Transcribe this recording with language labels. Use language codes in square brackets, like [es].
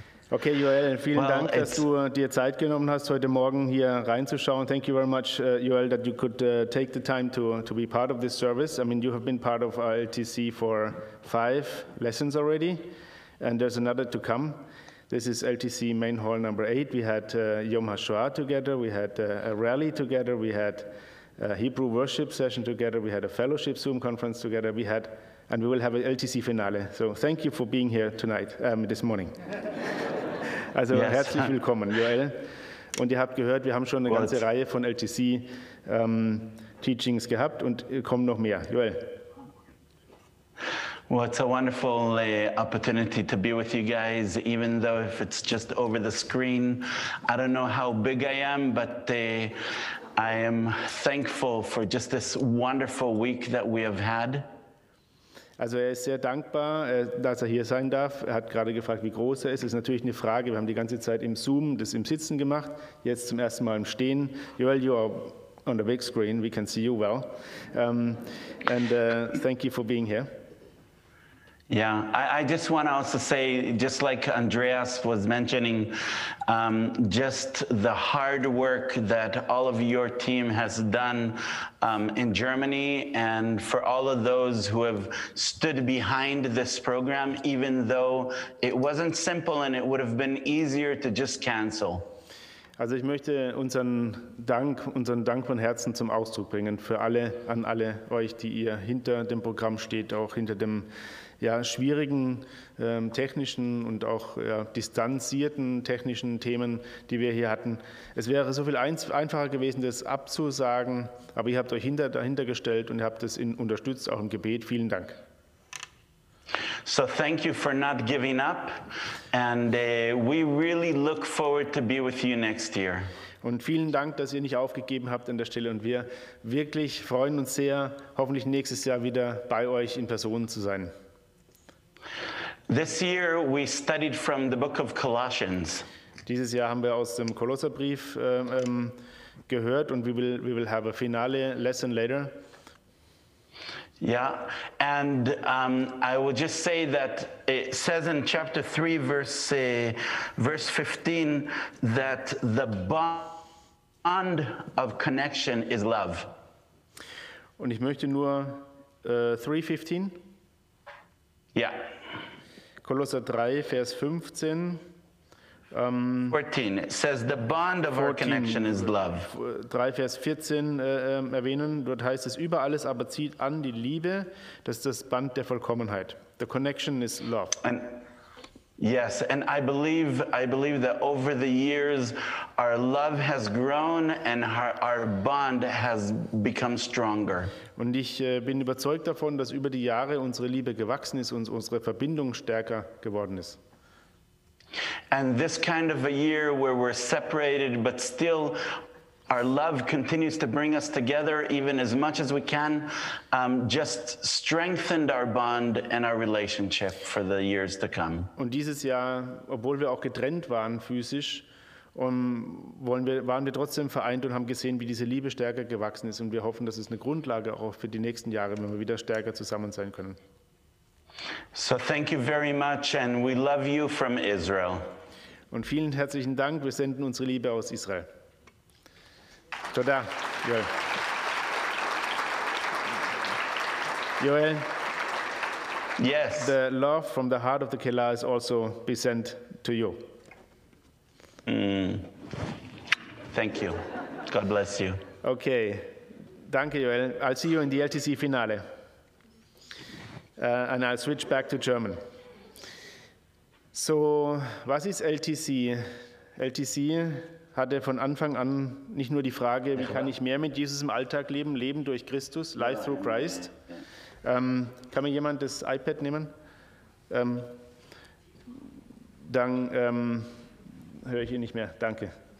[de] Okay, Joel, vielen Dank, dass du dir Zeit genommen hast, heute Morgen hier reinzuschauen. [en] Thank you very much, Joel, that you could take the time to be part of this service. I mean, you have been part of LTC for 5 lessons already, and there's another to come. This is LTC Main Hall number 8. We had Yom HaShoah together, we had a rally together, we had a Hebrew worship session together, we had a fellowship Zoom conference together, we had, and we will have an LTC finale. So thank you for being here tonight, this morning. [de] Also yes. Herzlich willkommen, Joel. Und ihr habt gehört, wir haben schon eine ganze Reihe von LTC-Teachings gehabt und kommen noch mehr. Joel. [en] Well, it's a wonderful opportunity to be with you guys, even though if it's just over the screen. I don't know how big I am, but I am thankful for just this wonderful week that we have had. [de] Also er ist sehr dankbar, dass er hier sein darf. Er hat gerade gefragt, wie groß er ist. Das ist natürlich eine Frage. Wir haben die ganze Zeit im Zoom das im Sitzen gemacht, jetzt zum ersten Mal im Stehen. [en] Joel, you are on the big screen. We can see you well. Thank you for being here. Yeah, I just want to also say, just like Andreas was mentioning, just the hard work that all of your team has done in Germany, and for all of those who have stood behind this program, even though it wasn't simple and it would have been easier to just cancel. [de] Also ich möchte unseren Dank von Herzen zum Ausdruck bringen für alle, an alle euch, die ihr hinter dem Programm steht, auch hinter dem schwierigen technischen und auch distanzierten technischen Themen, die wir hier hatten. Es wäre so viel einfacher gewesen, das abzusagen, aber ihr habt euch dahinter gestellt und habt es unterstützt, auch im Gebet. Vielen Dank. [en] So thank you for not giving up, and we really look forward to be with you next year. [de] Und vielen Dank, dass ihr nicht aufgegeben habt an der Stelle, und wir wirklich freuen uns sehr, hoffentlich nächstes Jahr wieder bei euch in Person zu sein. [en] This year we studied from the book of Colossians. [de] Dieses Jahr haben wir aus dem Kolosserbrief gehört, und [en] we will have a finale lesson later. Yeah, and I will just say that it says in chapter 3, verse 15, that the bond of connection is love. [de] Und ich möchte nur 3:15. [en] Yeah. [de] Kolosser 3, Vers 15. 14. [en] It says the bond of 14, our connection is love. [de] 3 Vers 14 erwähnen. Dort heißt es: Über alles aber zieht an die Liebe, das ist das Band der Vollkommenheit. [en] The connection is love. And, yes, and I believe that over the years our love has grown and our bond has become stronger. [de] Und ich bin überzeugt davon, dass über die Jahre unsere Liebe gewachsen ist und unsere Verbindung stärker geworden ist. [en] And this kind of a year where we're separated, but still our love continues to bring us together, even as much as we can, just strengthened our bond and our relationship for the years to come. [de] Und dieses Jahr, obwohl wir auch getrennt waren physisch, waren wir trotzdem vereint und haben gesehen, wie diese Liebe stärker gewachsen ist. Und wir hoffen, dass es eine Grundlage auch für die nächsten Jahre, wenn wir wieder stärker zusammen sein können. [en] So thank you very much, and we love you from Israel. [de] Und vielen herzlichen Dank, wir senden unsere Liebe aus Israel. [he] Toda, Joel. Joel. [en] Yes. The love from the heart of the Kelah is also be sent to you. Thank you. God bless you. [de] Okay. Danke, Joel. [en] I'll see you in the LTC Finale. And I'll switch back to German. [de] So, was ist LTC? LTC hatte von Anfang an nicht nur die Frage, wie kann ich mehr mit Jesus im Alltag leben, leben durch Christus, [en] life through Christ. [de] Kann mir jemand das iPad nehmen? Dann höre ich ihn nicht mehr, danke.